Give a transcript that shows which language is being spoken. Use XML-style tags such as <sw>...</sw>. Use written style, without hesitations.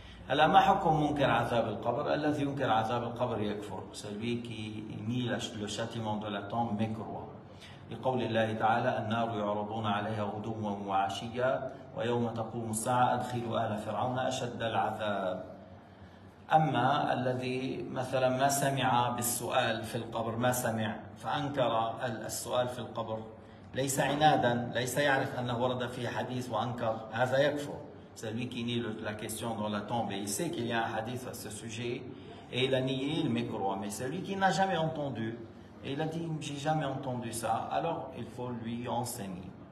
<ar>ألا ما حكم منكر عذاب القبر؟ الذي ينكر عذاب القبر يكفر.</ar> <fr>Celui qui nie le châtiment de la tombe, mécroit.</fr> <ar>لقول الله تعالى النار يعرضون عليها غدوا وعشيا ويوم تقوم الساعة أدخلوا آل فرعون أشد العذاب. أما الذي مثلا ما سمع بالسؤال في القبر, ما سمع فأنكر السؤال في القبر ليس عنادا, ليس يعرف أنه ورد فيه حديث وأنكر, هذا يكفر.</ar> <fr>Celui qui nie la question dans la tombe, il sait qu'il y a un hadith à ce sujet et il a nié, il me croit. Mais celui qui n'a jamais entendu, et il a dit, j'ai jamais entendu ça, alors il faut lui enseigner.</fr>